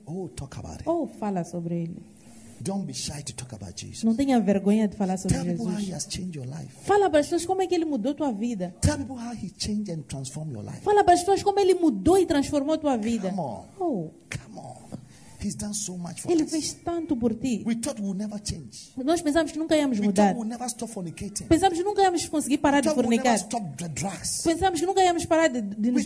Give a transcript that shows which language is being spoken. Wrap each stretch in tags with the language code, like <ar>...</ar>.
<en>Oh, talk about him.</en> <pt>Oh, fala sobre ele.</pt> <en>Don't be shy to talk about Jesus.</en> <pt>Não tenha vergonha de falar sobre</pt> <en>Tell</en> <pt>Jesus.</pt> <en>People how he has changed your life.</en> <pt>Fala para as pessoas como é que ele mudou tua vida.</pt> <en>Tell people how he changed and transformed your life.</en> <pt>Fala para as pessoas como ele mudou e transformou tua vida.</pt> <en>Come on. Oh. Come on. He's done so much for</en> <pt>ele</pt> <en>us.</en> <pt>Ele fez tanto por ti.</pt> <en>We thought we'll never change.</en> <pt>Nós pensamos que nunca íamos</pt> <en>we</en> <pt>mudar.</pt> <en>We'll never stop fornicating.</en> <pt>Pensamos que nunca íamos conseguir parar</pt> <en>we</en> <pt>de fornicar.</pt> <en>We'll never stop the drugs.</en> <pt>Pensamos que nunca íamos parar de nos</pt>